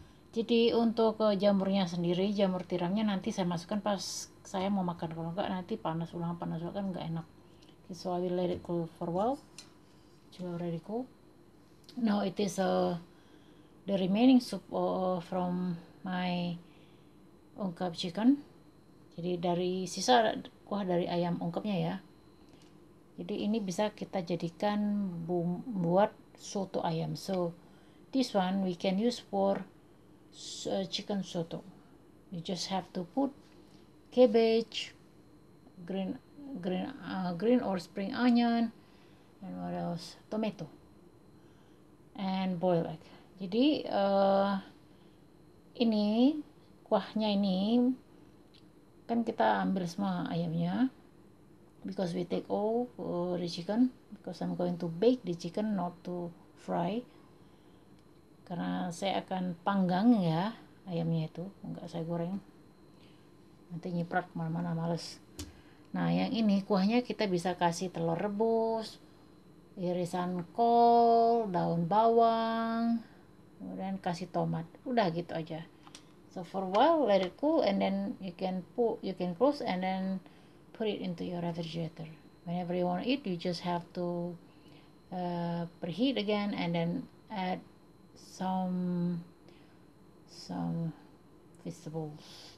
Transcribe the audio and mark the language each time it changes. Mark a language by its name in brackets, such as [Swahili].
[Indonesian] Jadi untuk jamurnya sendiri, jamur tiramnya nanti saya masukkan pas saya mau makan. Kalau enggak nanti panas ulang, panas ulang kan enggak enak. [English] Okay, so I will let it cool for a while. It's already cool. Now it is the remaining soup from my ungkep chicken. [Indonesian] Jadi dari sisa kuah dari ayam ungkepnya ya. Jadi ini bisa kita jadikan buat soto ayam. [English] So this one we can use for chicken soto. You just have to put cabbage, green or spring onion, and what else? Tomato. And boil egg. [Indonesian] Jadi ini kuahnya ini kan kita ambil semua ayamnya, [English] because we take all the chicken, because I'm going to bake the chicken, not to fry, [Indonesian] karena saya akan panggang ya ayamnya itu, enggak saya goreng, nanti nyiprat mana-mana, males. Nah yang ini kuahnya kita bisa kasih telur rebus, irisan kol, daun bawang, kemudian kasih tomat, udah gitu aja. [English] So for a while let it cool, and then you can put, you can close and then put it into your refrigerator. Whenever you want to eat, you just have to preheat again and then add some vegetables.